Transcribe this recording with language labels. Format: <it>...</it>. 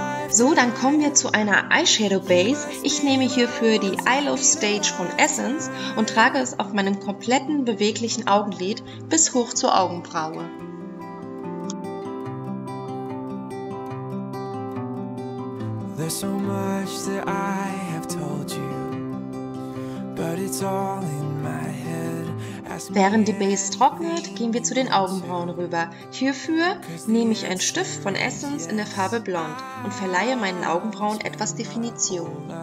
<de>So, dann kommen wir zu einer Eyeshadow Base. Ich nehme hierfür die I Love Stage von Essence und trage es auf meinem kompletten beweglichen Augenlid bis hoch zur Augenbraue.</de> <en>There's so much that I have told you, but it's all in my head.</en> <de>Während die Base trocknet, gehen wir zu den Augenbrauen rüber. Hierfür nehme ich einen Stift von Essence in der Farbe Blond und verleihe meinen Augenbrauen etwas Definition.</de>